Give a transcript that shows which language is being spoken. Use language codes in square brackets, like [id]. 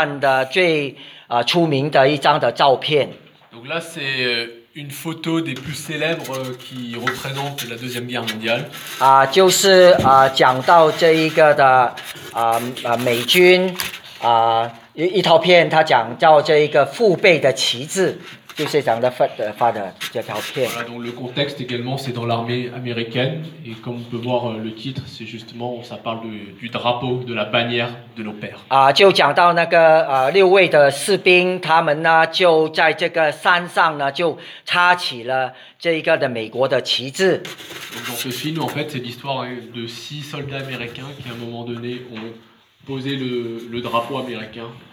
[zh] 这是第二次世界大战的最出名的一张的照片. [fr] Donc là, c'est une photo des plus célèbres qui représente la Deuxième Guerre mondiale. [zh] 就是讲到这一个的 美军一套片，他讲叫这一个父辈的旗帜，就是讲的发的这条片。 [fr] Voilà, donc le contexte également, c'est dans l'armée américaine, et comme on peut voir le titre, c'est justement, ça parle du drapeau, de la bannière de nos pères. [zh] 就讲到那个六位的士兵，他们呢就在这个山上呢就插起了这一个的美国的旗帜。 [fr] Dans ce film, en fait, c'est l'histoire de 6 soldats américains qui, à un moment donné, ont posé le drapeau américain.